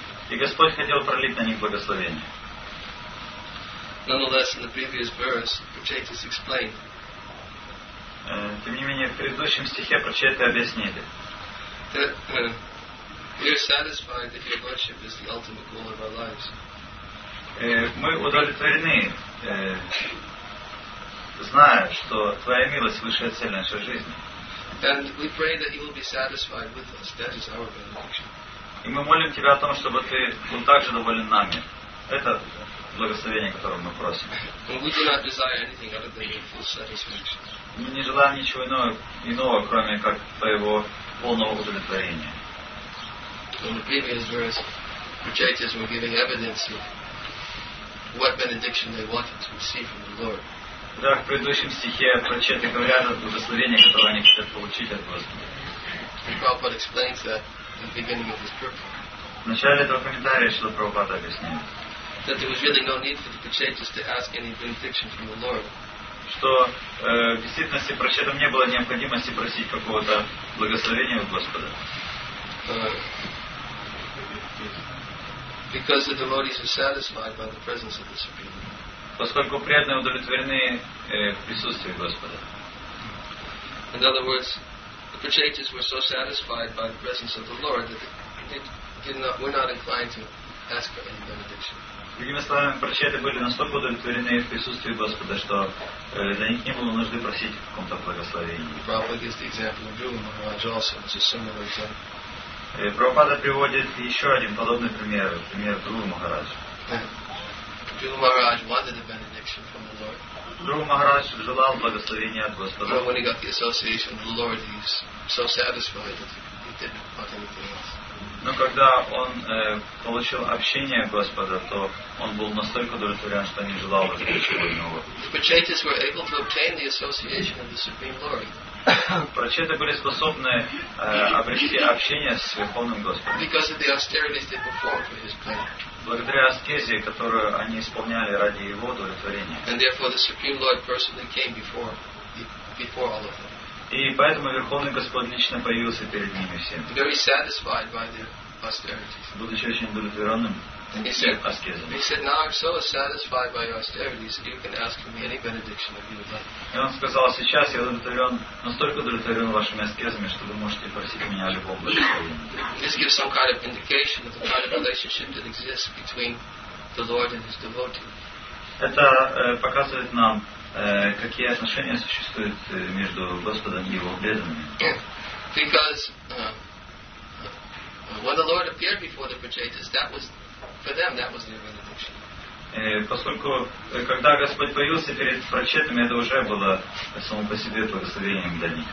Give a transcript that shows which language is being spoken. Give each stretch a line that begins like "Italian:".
Russian: И Господь хотел пролить на них благословение.
English: Nonetheless, in the previous verse, Prachetis explained.
Russian: Тем не менее, в предыдущем стихе Прачеты объяснили.
English: We are satisfied that your lordship is the ultimate goal of our lives.
Russian: Мы удовлетворены, зная, что твоя милость высшая цель нашей жизни.
English: And we pray that you will be satisfied with us. That is our benediction.
Russian: И мы молим тебя о том, чтобы ты был также доволен нами. Это благословение, которое мы просим.
English: We do not desire anything other than your full satisfaction.
Russian: Мы не желаем ничего иного, кроме как твоего полного удовлетворения.
English: In the previous verse, Prachetis were giving evidence of what benediction they wanted to receive from the Lord.
Russian: Да, в предыдущем стихе Прачеты говорят о благословении, которое они хотят получить от Господа.
English: And Prabhupada explains that in the beginning of his purport.
Russian: В начале этого комментария Шрила Прабхупада объясняет.
English: That there was really no need for the Prachetis to ask any benediction from the Lord.
Russian: Что в действительности Прачетам не было необходимости просить какого-то благословения у Господа.
English: Because the devotees are satisfied by the presence of the Supreme Lord.
Russian: Поскольку преданные удовлетворены в присутствии Господа.
English: In other words, the Prachetis were so satisfied by the presence of the Lord that they were not inclined to ask for any benediction.
Russian: Другими словами, Прачеты были настолько удовлетворены в присутствии Господа, что для них не было нужды просить о каком-то благословении.
English: Prabhupada gives the example of Dhruva Maharaj also. It's a similar example.
Russian: Prabhupada приводит еще один подобный пример. Пример Дхрувы Махараджа.
English: Dhruva Maharaj wanted a benediction from the Lord.
Russian: Dhruva Maharaj желал благословения от Господа.
English: But when he got the association of the Lord, he was so satisfied that he didn't want anything else.
Russian: Но когда он получил общение Господа, то он был настолько удовлетворен, что не желал ничего иного.
English: The Prachetis were able to obtain the association of the Supreme Lord.
Russian: Прачеты были способны обрести общение с Верховным Господом.
English: Because of the austerities they performed for his pleasure.
Russian: Благодаря аскезе, которую они исполняли ради его удовлетворения.
English: And therefore the Supreme Lord personally came before all of them.
Russian: И поэтому Верховный Господь лично появился перед ними всем.
English: Very satisfied by their austerities.
Russian: Будучи очень удовлетворенным аскезом.
English: He said, now I'm so satisfied by your austerities that you can ask for me any benediction that you would like.
Russian: И он сказал, сейчас я удовлетворен, настолько удовлетворен вашими аскезами, что вы можете просить меня о любом благословении.
English: This gives some kind of indication of the kind of relationship that exists between the Lord and his devotee.
Russian: Это показывает нам, какие отношения существуют между Господом и его преданными.
English: Because when the Lord appeared before the Prachetis, that was for them, that was their benediction.
Russian: Поскольку когда Господь появился перед Прачетами, это уже было само по себе благословением для них.